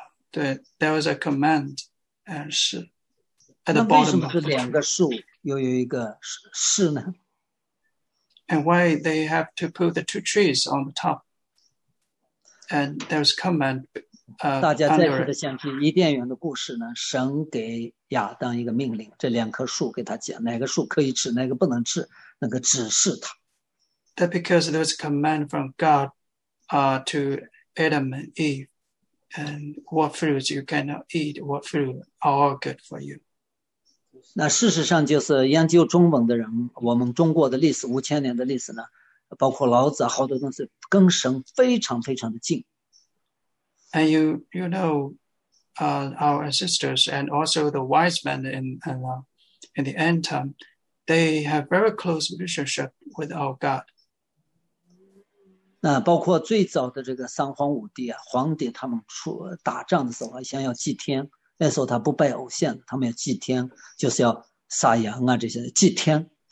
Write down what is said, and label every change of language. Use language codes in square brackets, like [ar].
[en] 对 there was a command, and 是 at the bottom. [zh] 那为什么是两个树又有一个是呢 [en] ？And why they have to put the two trees on the top? And there's command. [zh] 大家再次的想起伊甸园的故事呢，神给。亚当一个命令，这两棵树给他讲，哪个树可以吃，哪个不能吃，那个指示他。 [en] That because there was a command from God, to Adam and Eve, and what fruits you cannot eat, what fruit are good for you. [zh] 那事实上就是研究中文的人，我们中国的历史5000年的历史呢，包括老子啊，好多东西跟神非常非常的近。 [en] And you know, our ancestors and also the wise men in the end time, they have very close relationship with our God. [zh] 那包括最早的这个三皇五帝啊，皇帝他们出打仗的时候，想要祭天，那时候他不拜偶像，他们要祭天，就是要杀羊啊这些祭天。